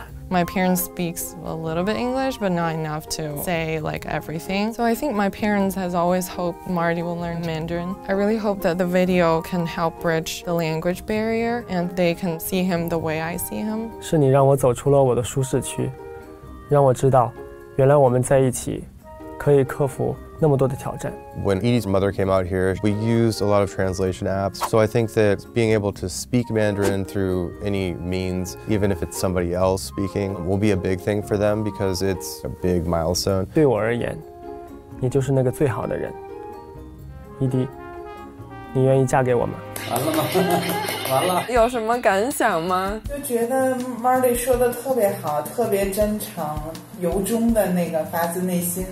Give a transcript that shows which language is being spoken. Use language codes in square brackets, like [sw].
[en] My parents speaks a little bit English, but not enough to say like everything. So I think my parents has always hoped Marty will learn Mandarin. I really hope that the video can help bridge the language barrier and they can see him the way I see him. [zh] 是你让我走出了我的舒适区，让我知道，原来我们在一起，可以克服那么多的挑战。 [en] When Edie's mother came out here, we used a lot of translation apps. So I think that being able to speak Mandarin through any means, even if it's somebody else speaking, will be a big thing for them because it's a big milestone. [zh] 对我而言，你就是那个最好的人。 Edie，你愿意嫁给我吗？完了，有什么感想吗？就觉得 Marley 说的特别好，特别真诚，由衷的那个发自内心。